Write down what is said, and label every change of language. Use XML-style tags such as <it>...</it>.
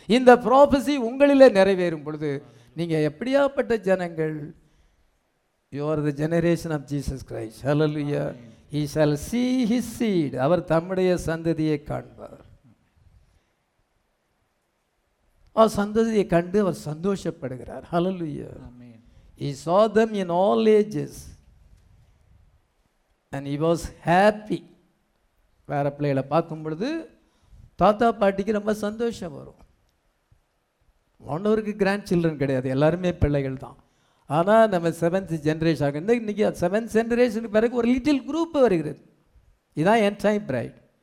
<ta>இந்த ப்ரோஃபஸி உங்களில் நிறைவேறும் பொழுது நீங்கள் எப்படியாப்பட்ட ஜனங்கள்.</ta> <en>Your the generation of Jesus Christ. Hallelujah. He shall see his seed.</en> <ta>அவர் தம்முடைய சந்ததியை காண்பார். அவர் சந்ததியை கண்டு அவர் சந்தோஷப்படுகிறார். ஹல்லேலூயா.</ta> <en>He saw them in all ages and he was happy.</en> <ta>வேற பிள்ளைகளை பார்க்கும்பொழுது தாத்தா பாட்டிக்கு ரொம்ப சந்தோஷம் வரும். ஆண்டவருக்கு கிராண்ட் சில்ட்ரன் கிடையாது, எல்லாருமே பிள்ளைகள் தான். ஆனால் நம்ம செவன்த் ஜென்ரேஷன் ஆகும். இன்னைக்கு செவன்த் ஜென்ரேஷனுக்கு பிறகு ஒரு லிட்டில் குரூப் வருகிறது. இதுதான் என் டைம் பிரைட்.</ta>